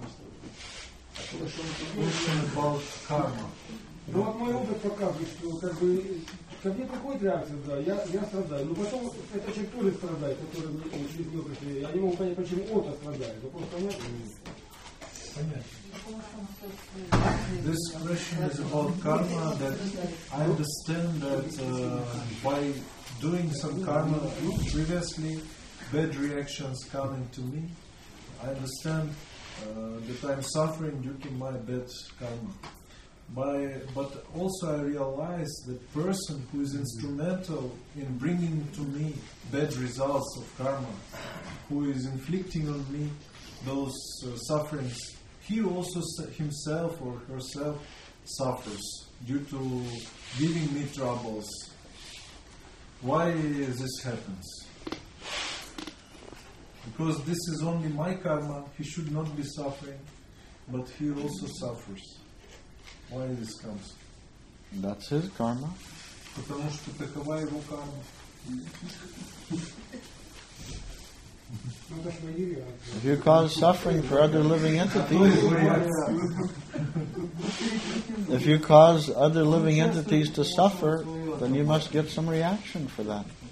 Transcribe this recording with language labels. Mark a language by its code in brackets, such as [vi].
[ru] стоит? [en] Question about karma. [ru] Ну вот мой опыт показывает, что как бы ко мне приходит реакция, да, я страдаю. Но потом этот человек тоже страдает, который через него пришли. Я не могу понять, почему он страдает. Вопрос понятен? Понятно. [en] This question is about karma, that I understand that by doing some karma previously, bad reactions coming to me. I understand that I'm suffering due to my bad karma. But also I realize that person who is instrumental in bringing to me bad results of karma, who is inflicting on me those sufferings, he also himself or herself suffers due to giving me troubles. Why this happens? Because this is only my karma, he should not be suffering, but he also suffers. Why this comes? That's his karma. [ru] Потому что такова его карма. [en] If you cause suffering for other living entities, if you cause other living entities to suffer, then you must get some reaction for that.